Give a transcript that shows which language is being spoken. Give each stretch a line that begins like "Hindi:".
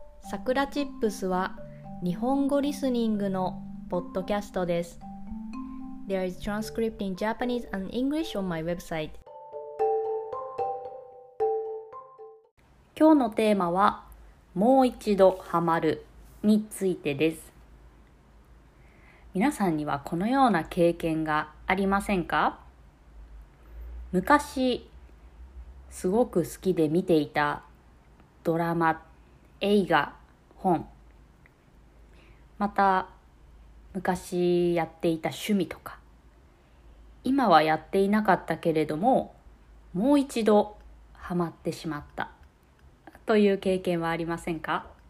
Japanese: さくらチップスは日本語リスニングのポッドキャストです。
English: There is transcript in Japanese and English on my website。
Japanese: 今日のテーマはもう一度ハマるについてです。皆さんにはこのような経験がありませんか？昔すごく好きで見ていたドラマ、映画、本、また昔やっていた趣味とか、今はやっていなかったけれどももう一度ハマってしまったという経験はありませんか？